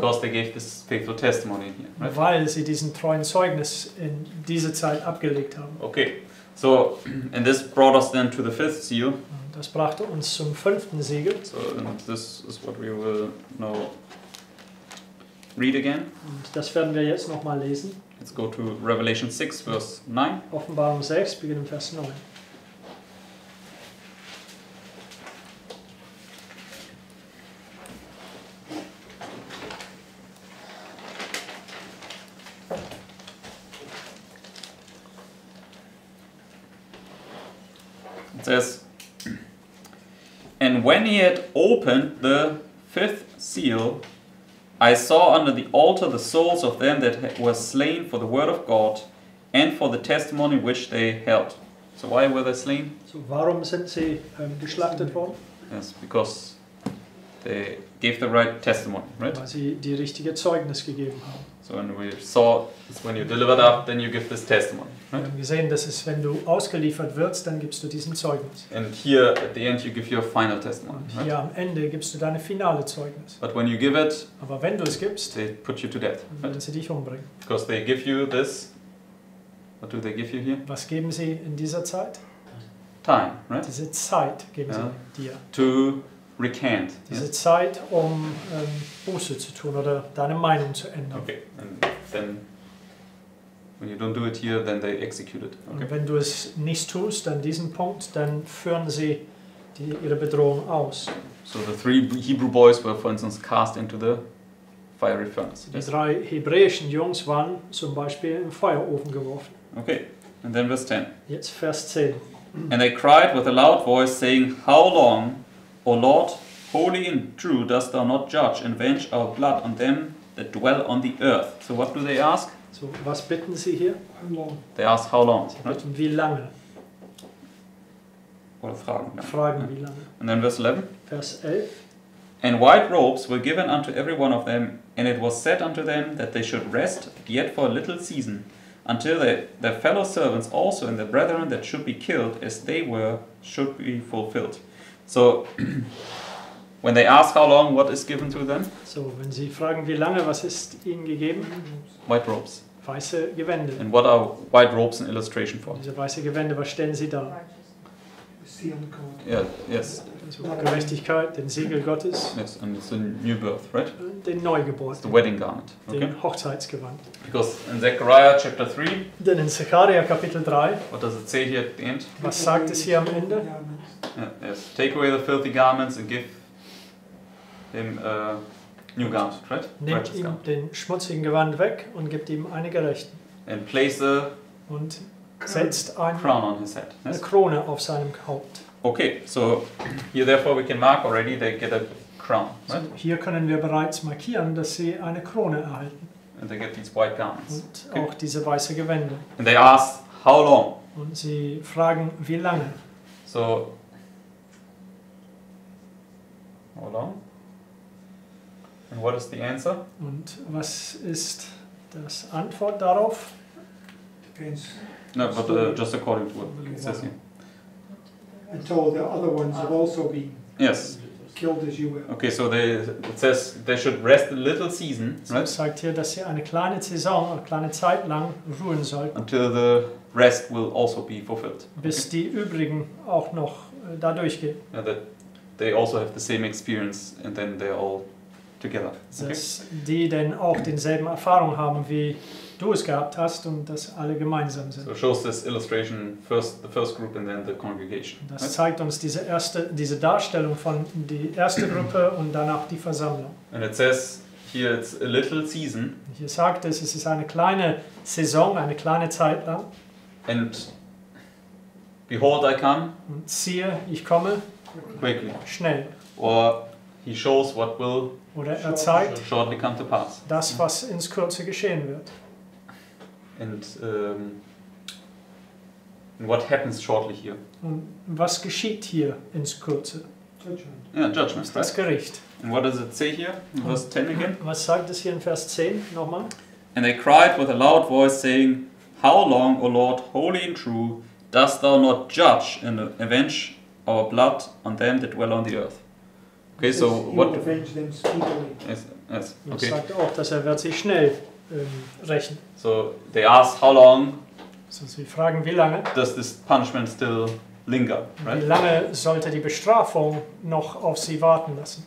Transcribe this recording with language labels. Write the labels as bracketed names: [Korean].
[English] Because they gave this faithful testimony here, right? [German] Weil sie diesen treuen Zeugnis in dieser Zeit abgelegt haben. [English] Okay. So, and this brought us then to the fifth seal. [German] Das brachte uns zum fünften Siegel. [English] So, and this is what we will now read again. [German] Und das werden wir jetzt nochmal lesen. [English] Let's go to Revelation 6, verse 9. [German] Offenbarung 6, beginnen Vers 9. [English] It says, and when he had opened the fifth seal, I saw under the altar the souls of them that were slain for the word of God and for the testimony which they held. So why were they slain? [German] So warum sind sie geschlachtet worden? [English] Yes, because they gave the right testimony, right? [German] Weil sie die richtige Zeugnis gegeben haben. [English] So when we saw, it's when you're delivered up, then you give this testimony. [German] Wir haben gesehen, dass es, wenn du ausgeliefert wirst, dann gibst du diesen Zeugnis. [English] And here at the end you give your final testimony. [German] Und hier am Ende gibst du deine finale Zeugnis. [English] But when you give it, [German] aber wenn du es gibst, [English] they put you to death. [German] Werden sie dich umbringen. [English] Because they give you this. What do they give you here? [German] Was geben sie in dieser Zeit? [English] Time, right? [German] Diese Zeit geben sie dir. [English] To recant. [German] Diese Zeit, um Buße zu tun oder deine Meinung zu ändern. [English] Okay, and then. When you don't do it here, then they execute it. Okay. [German] Und wenn du es nicht tust, an diesem Punkt, dann führen sie ihre Bedrohung aus. [English] So the three Hebrew boys were, for instance, cast into the fiery furnace. [German] Die drei hebräischen Jungs waren zum Beispiel im Feuerofen geworfen. [English] Okay, and then verse 10. [German] Jetzt Vers 10. [English] And they cried with a loud voice, saying, how long, O Lord, holy and true, dost thou not judge and avenge our blood on them that dwell on the earth? So what do they ask? So, was bitten sie hier? How long? They ask how long. [German] Sie bitten, wie lange? Oder fragen. Ja. Fragen, wie lange. [English] And then verse 11. [German] Vers 11. [English] And white robes were given unto every one of them, and it was said unto them that they should rest yet for a little season, until their fellow servants also and their brethren that should be killed as they were should be fulfilled. So, when they ask how long, what is given to them? [German] So, wenn sie fragen, wie lange, was ist ihnen gegeben? [English] White robes. [German] Weiße Gewände. [English] And what are white robes an illustration for? [German] Diese weiße Gewände, was stellen sie da? The [English] seal of God. Yeah, yes. [German] Also Gerechtigkeit, den Siegel Gottes. [English] Yes, and it's a new birth, right? [German] Den Neugeburt. [English] It's the wedding garment. [German] Okay. Den Hochzeitsgewand. [English] Because in Zechariah chapter 3. [German] Denn in Zechariah Kapitel 3. [English] What does it say here at the end? [German] Was sagt es hier am Ende? [English] Yeah, yes, take away the filthy garments and give him a new garment, right? [German] Nehmt ihm garment. Den schmutzigen Gewand weg und gibt ihm eine gerechten. [English] And place [German] und setzt eine [English] crown on his head. [German] Yes? Eine Krone auf seinem Haupt. [English] Okay, so here therefore we can mark already they get a crown, right? [German] So hier können wir bereits markieren, dass sie eine Krone erhalten. [English] And they get these white garments. [German] Und okay. Auch diese weiße Gewände. [English] And they ask how long? [German] Und sie fragen wie lange? [English] So how long? And what is the answer? [German] Und was ist das Antwort darauf? [English] Depends. No, but just according to what it says here. Until the other ones have also been killed as you were. Okay, so it says they should rest a little season, right? [German] Es sagt hier, dass sie eine kleine Saison, eine kleine Zeit lang ruhen sollten. [English] Until the rest will also be fulfilled. [German] Bis okay. Die übrigen auch noch da durchgehen. [English] Yeah, that they also have the same experience and then they all together. Okay. [German] Dass die denn auch denselben Erfahrung haben, wie du es gehabt hast und dass alle gemeinsam sind. [English] So shows this illustration, the first group and then the congregation. [German] Das right? Zeigt uns diese Darstellung von die erste Gruppe und danach die Versammlung. [English] And it says, here it's a little season. [German] Hier sagt es, es ist eine kleine Saison, eine kleine Zeit lang. [English] And behold, I come. [German] Und siehe, ich komme. [English] Quickly. [German] Schnell. [English] Or He shows what will [German] oder er zeigt, [English] shortly come to pass. [German] Das, was ins Kürze geschehen wird. [English] And what happens shortly here? [German] Und was geschieht hier ins Kürze? [English] Judgment. Yeah, judgment, [German] right? Das Gericht. [English] And what does it say here in verse 10 again? [German] Was sagt es hier in Vers 10 nochmal? [English] And they cried with a loud voice, saying, How long, O Lord, holy and true, dost thou not judge and avenge our blood on them that dwell on the earth? Okay, so what... He will avenge them speedily. Yes, okay. [German] Und sagt auch, dass wird sich schnell rächen. [English] So they ask, how long... [German] So sie fragen, wie lange... [English] Does this punishment still linger, right? [German] Wie lange sollte die Bestrafung noch auf sie warten lassen?